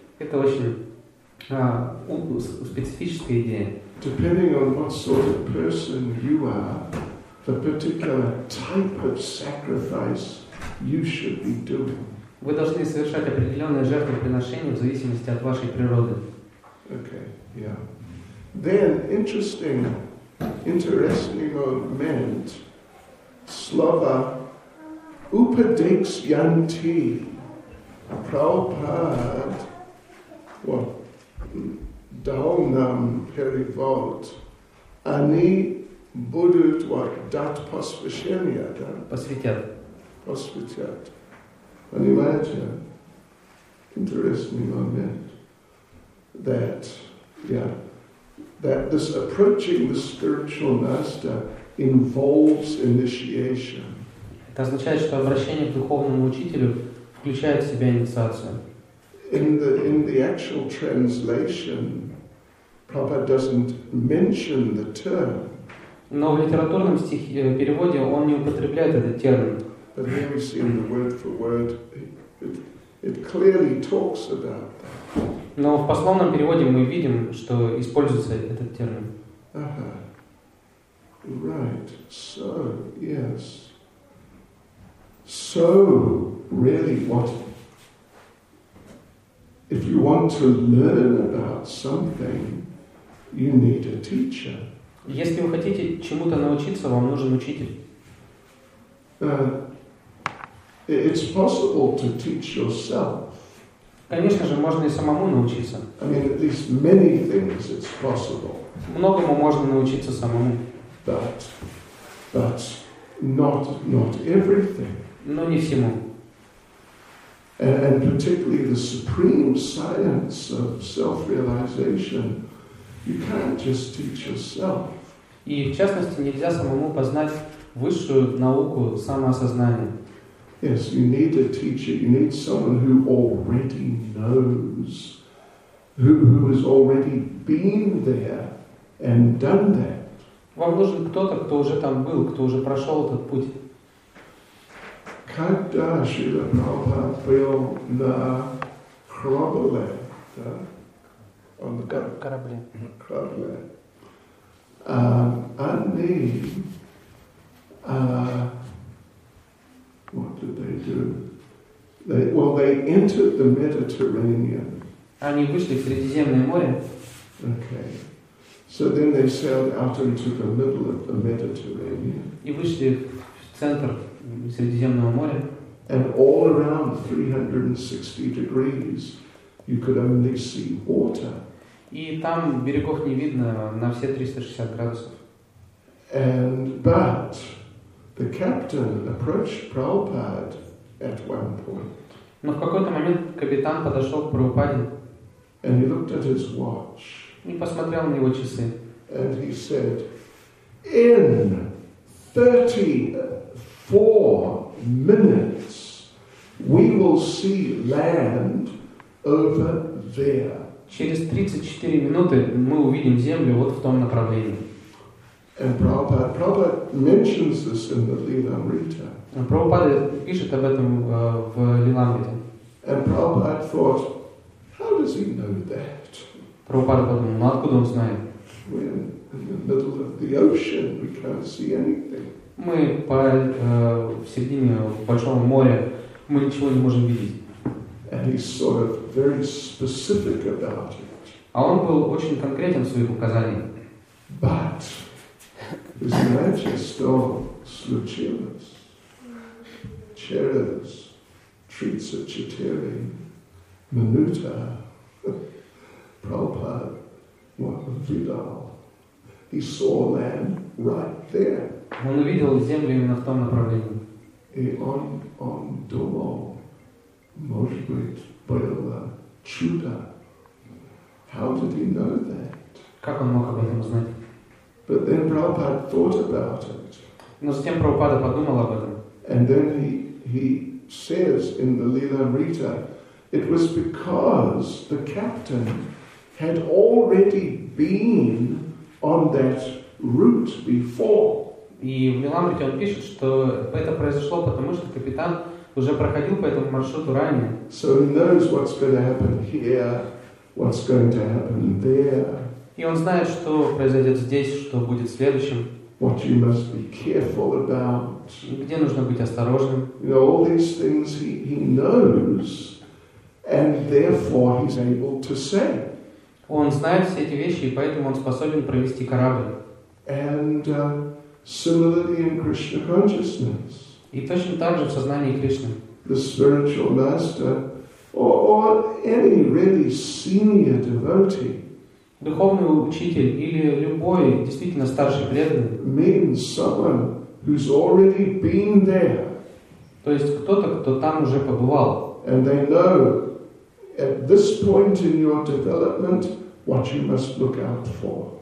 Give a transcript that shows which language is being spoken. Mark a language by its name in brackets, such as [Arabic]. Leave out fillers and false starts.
[Russian] Это очень специфическая идея. [English] Depending on what sort of person you are, the particular type of sacrifice you should be doing. [Russian] Вы должны совершать определенное жертвоприношение в зависимости от вашей природы. [English] Okay, yeah. Then interesting moment. [Russian] Слово Upadeksyanti. Prabhupada, [English] what? [Russian] Дал нам перевод. Они будут [English] what? [Russian] Дать посвящение, да? Посвятят. Понимаете? [English] Interesting moment. That this approaching the spiritual master involves initiation. [Russian] Это означает, что обращение к духовному учителю включает в себя инициацию. [English] In the actual translation, Prabhupada doesn't mention the term. [Russian] Но в литературном стихе, переводе он не употребляет этот термин. [English] But here we see in the word for word, it clearly talks about that. [Russian] Но в пословном переводе мы видим, что используется этот термин. Ага. [English] Right. So, yes. So, really, what... If you want to learn about something, you need a teacher. [Russian] Если вы хотите чему-то научиться, вам нужен учитель. [English] It's possible to teach yourself. [Russian] Конечно же, можно и самому научиться. [English] I mean, at least many things it's possible. [Russian] Многому можно научиться самому. [English] But not everything. [Russian] Но не всему. [English] And particularly the supreme science of self-realization, you can't just teach yourself. [Russian] И в частности, нельзя самому познать высшую науку самоосознания. [English] Yes, you need a teacher. You need someone who already knows who has already been there and done that. [Russian] Вам нужен кто-то, кто уже там был, кто уже прошел этот путь. Когда Шрила Прабхупада был на корабле, да? Он на корабле. Корабле. Они, [English] what did they do? They entered the Mediterranean. [Russian] Они вышли в Средиземное море. [English] Okay. So then they sailed out into the middle of the Mediterranean. [Russian] И вышли в центр Средиземного моря. [English] And all around 360 degrees, you could only see water. [Russian] И там берегов не видно на все 360 градусов. [English] And but the captain approached Prabhupada at one point. [Russian] Но в какой-то момент капитан подошел к Прабхупаде. [English] And he looked at his watch. [Russian] И посмотрел на его часы. [English] And he said, in 34 minutes we will see land over there. [Russian] Через 34 минуты мы увидим землю вот в том направлении. [English] And Prabhupada mentions this in the Lilamrita. [Russian] Прабхупада пишет об этом в Лиламрите. [English] And Prabhupada thought, how does he know that? [Russian] Прабхупада подумал, ну откуда он знает? [English] When in the middle of the ocean we can't see anything. [Russian] Мы в середине большого моря мы ничего не можем видеть. [English] And he's sort of very specific about it. [Russian] А он был очень конкретен в своих указаниях. [English] But his majesty [Russian] случилось. Через трица четыре минута Прабхупада видал. [English] He saw land right there. [Russian] Он увидел землю именно в том направлении. И он думал, может быть, было чудо. [English] How did he know that? [Russian] Как он мог об этом узнать? [English] But then Prabhupada thought about it. [Russian] Но затем Прабхупада подумал об этом. [English] And then he says in the Лиламрита, it was because the captain had already been on that route before. [Russian] И в Лиламрите он пишет, что это произошло потому, что капитан уже проходил по этому маршруту ранее. [English] So he knows what's going to happen here, what's going to happen there. [Russian] И он знает, что произойдет здесь, что будет следующим. [English] What you must be careful about. [Russian] Где нужно быть осторожным. [English] You know, all these things he knows, and therefore he's able to say. [Russian] Он знает все эти вещи, и поэтому он способен провести корабль. [English] And similarly in Krishna consciousness. [Russian] И точно так же в сознании Кришны. [English] The spiritual master, or any really senior devotee. [Russian] Духовный учитель или любой действительно старший преданный. [English] Means someone who's already been there. [Russian] То есть кто-то, кто там уже побывал. [English] And they know at this point in your development what you must look out for.